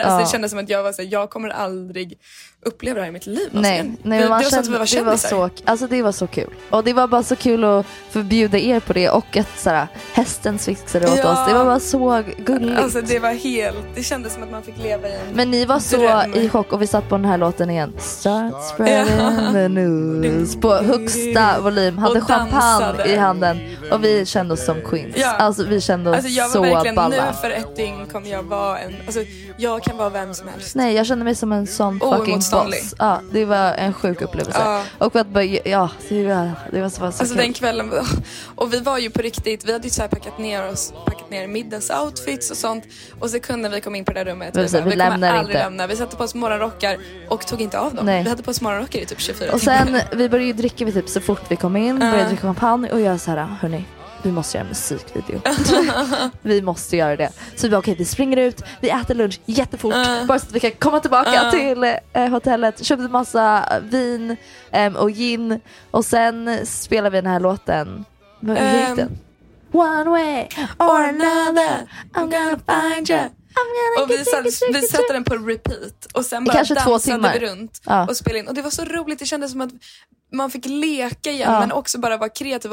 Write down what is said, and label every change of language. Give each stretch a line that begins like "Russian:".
Swedish: Alltså det kändes som att jag var så här, jag kommer aldrig uppleva det här i mitt liv. Det var så kul. Och det var bara så kul att förbjuda er på det och att så här, hästen svixade åt oss. Det var bara så gulligt. Alltså det var helt, det kändes som att man fick leva i en Men ni var dröm. Så i chock och vi satt på den här låten igen.
English: Start spreading the news.
Swedish: På högsta volym. Hade champagne i handen. Och vi kände oss som queens. Ja. Alltså vi kände oss så balla. Alltså jag var verkligen, nu för ett dygn kommer jag vara en, alltså jag kan vara vem som helst. Nej, jag kände mig som en sån
English: fucking boss.
Swedish: Ja, det var en sjuk upplevelse. Och att bara, det var så alltså kul. Den kvällen, och vi var ju på riktigt, vi hade ju så här packat ner middags outfits och sånt. Och så kunde vi komma in på det där rummet. Vi lämnar kommer inte. Aldrig lämna. Vi satte på oss morgonrockar och tog inte av dem. Nej. Vi hade på oss morgonrockar i typ 24 och timmar. Och sen, vi började ju dricka typ så fort vi kom in. Började dricka champagne och göra såhär, hörni. Vi måste göra en musikvideo. Vi måste göra det. Så vi bara, okej, vi springer ut. Vi äter lunch jättefort. Bara så att vi kan komma tillbaka till hotellet. Köpte en massa vin och gin. Och sen spelar vi den här låten. Hur gick den?
English: One way or another, I'm gonna find you.
Swedish: Och vi satte den på repeat. Och sen bara kanske dansade vi runt och spelade in. Och det var så roligt, det kändes som att man fick leka igen men också bara vara kreativ.